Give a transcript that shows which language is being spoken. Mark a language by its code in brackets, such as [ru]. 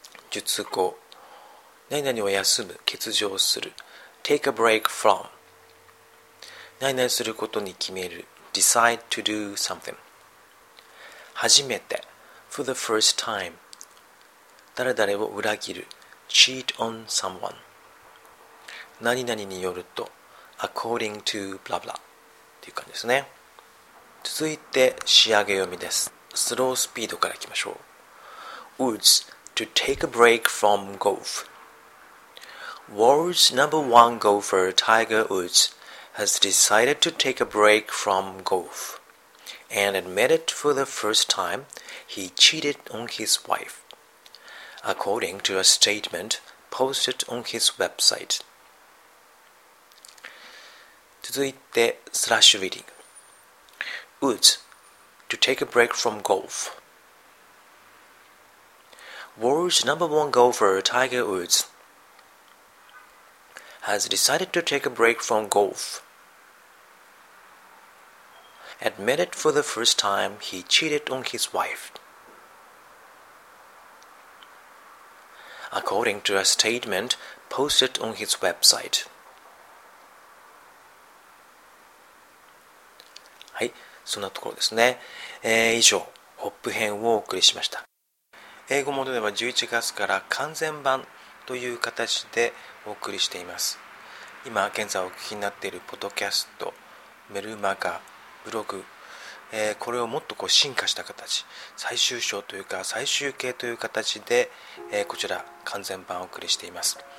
[ja] 述語、何々を休む、欠場する、 [en] take a break from、 [ja] 何々することに決める、 [en] decide to do something、 [ja] 初めて、 [en] for the first time、 [ja] 誰々を裏切る、 [en] cheat on someone、 [ja] 何々によると [en] according to blah blah [ja] っていう感じですね。続いて仕上げ読みです。スロースピードからいきましょう。 [en] Woods to take a break from golf. World's number one golfer Tiger Woods has decided to take a break from golf and admitted for the first time he cheated on his wife according to a statement posted on his website. [ja] 続いてスラッシュリーディング。 [en] Woods to take a break from golf. World's number one golfer Tiger Woods has decided to take a break from golf. Admitted for the first time he cheated on his wife. According to a statement posted on his website. [ja] はい、そんなところですね。以上、ホップ編をお送りしました。英語モードでは11月から完全版という形でお送りしています。今現在お聞きになっているポッドキャスト、メルマガ、ブログ、これをもっとこう進化した形、最終章というか最終形という形で、こちら完全版をお送りしています。